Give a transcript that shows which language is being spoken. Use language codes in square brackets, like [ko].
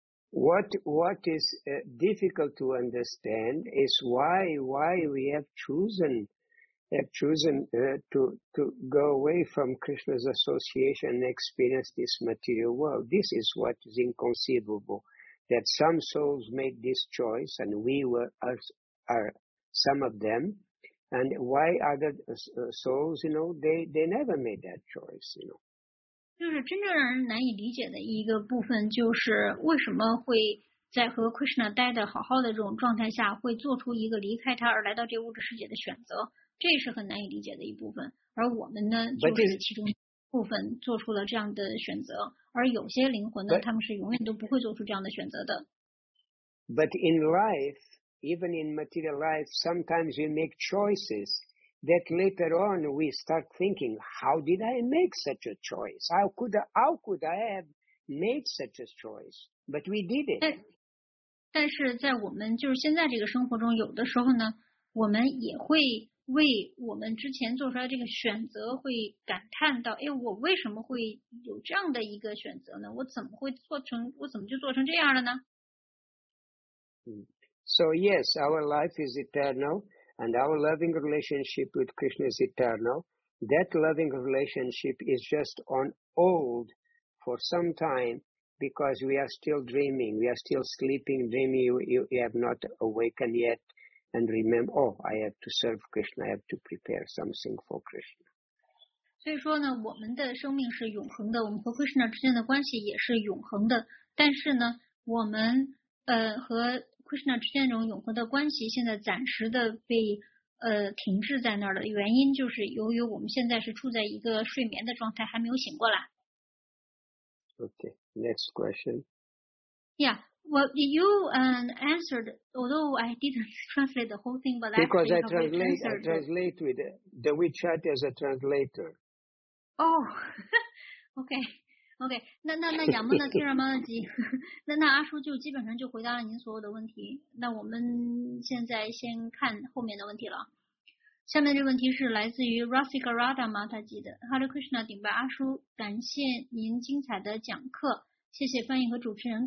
[en] What is difficult to understand is why we have chosen to go away from Krishna's association and experience this material world. This is what is inconceivable, that some souls made this choice and we are some of them. And why other souls, you know, they never made that choice, you know. [zh] 就是真正让人难以理解的一个部分，就是为什么会在和 Krishna 待的好好的这种状态下，会做出一个离开他而来到这物质世界的选择，这是很难以理解的一部分。而我们呢，就是其中部分做出了这样的选择，而有些灵魂呢，他们是永远都不会做出这样的选择的。 [en] But in life, even in material life, sometimes we make choices. That later on we start thinking, how did I make such a choice? How could I have made such a choice? But we did it. [zh] 但是在我们就是现在这个生活中，有的时候呢，我们也会为我们之前做出来这个选择会感叹到，哎，我为什么会有这样的一个选择呢？我怎么就做成这样了呢？ [en] So yes, our life is eternal. And our loving relationship with Krishna is eternal. That loving relationship is just on hold for some time because we are still dreaming. We are still sleeping, dreaming. You have not awakened yet and remember, oh, I have to serve Krishna. I have to prepare something for Krishna. [zh] 所以说呢，我们的生命是永恒的，我们和 Krishna 之间的关系也是永恒的。但是呢，我们和Krishna 之间这种永恒的关系现在暂时的被停滞在那儿的原因，就是由于我们现在是处在一个睡眠的状态，还没有醒过来。 [en] Okay, next question. Yeah, well, you answered, although I didn't translate the whole thing, but because I translate with the WeChat as a translator. Oh, okay. [zh] OK, 那仰慕那天然猫的鸡，那阿叔就基本上就回答了您所有的问题。那我们现在先看后面的问题了。下面这个问题是来自于 Rasika Radha 吗？他记得 Hare Krishna 顶拜阿叔，感谢您精彩的讲课，谢谢翻译和主持人。